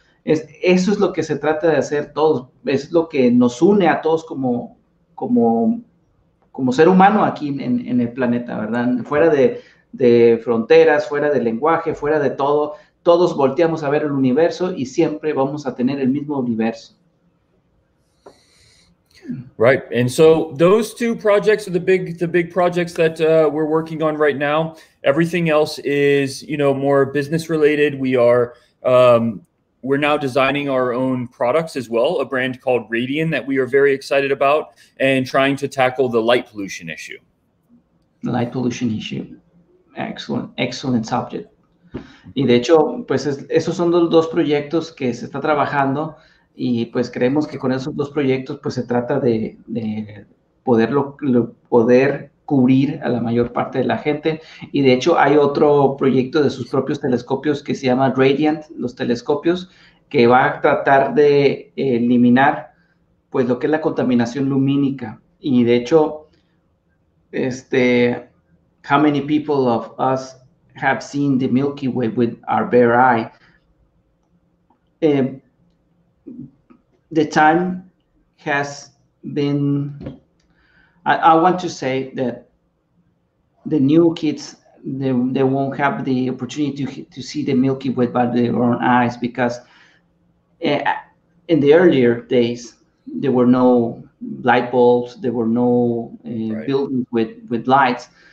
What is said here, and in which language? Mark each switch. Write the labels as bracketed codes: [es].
[es] Eso es lo que se trata de hacer todos. Es lo que nos une a todos como ser humano aquí en el planeta, ¿verdad? Fuera de fronteras, fuera de lenguaje, fuera de todo. Todos volteamos a ver el universo y siempre vamos a tener el mismo universo. [en] Right. And so those two projects are the big projects that we're working on right now. Everything else is, you know, more business related. We are we're now designing our own products as well, a brand called Radian that we are very excited about and trying to tackle the light pollution issue. Light pollution issue. Excellent subject. [es] Y de hecho, pues esos son los dos proyectos que se está trabajando. Y pues creemos que con esos dos proyectos pues se trata de poder cubrir a la mayor parte de la gente. Y de hecho hay otro proyecto de sus propios telescopios que se llama Radiant, los telescopios, que va a tratar de eliminar pues lo que es la contaminación lumínica. Y de hecho, [en] how many people of us have seen the Milky Way with our bare eye? The time has been, I want to say that the new kids, they won't have the opportunity to see the Milky Way by their own eyes, because in the earlier days, there were no light bulbs, there were no buildings with lights.